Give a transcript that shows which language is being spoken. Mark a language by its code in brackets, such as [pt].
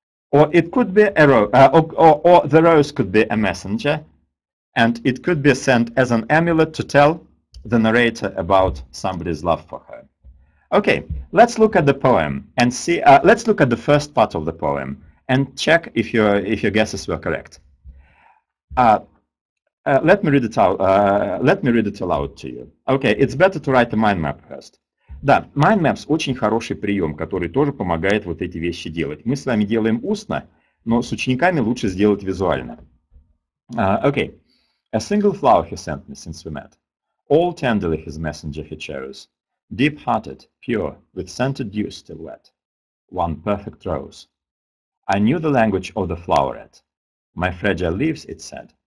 [en] Or it could be a or the rose could be a messenger, and it could be sent as an amulet to tell the narrator about somebody's love for her. Okay, let's look at the poem and see, let's look at the first part of the poem and check if your guesses were correct. Let me read it aloud to you. Okay, it's better to write a mind map first. [ru] Да, mind maps очень хороший прием, который тоже помогает вот эти вещи делать. Мы с вами делаем устно, но с учениками лучше сделать визуально. [en] Okay. A single flower he sent me since we met. All tenderly his messenger he chose. Deep-hearted, pure, with scented dew still wet. One perfect rose. I knew the language of the floweret. My fragile leaves, it said.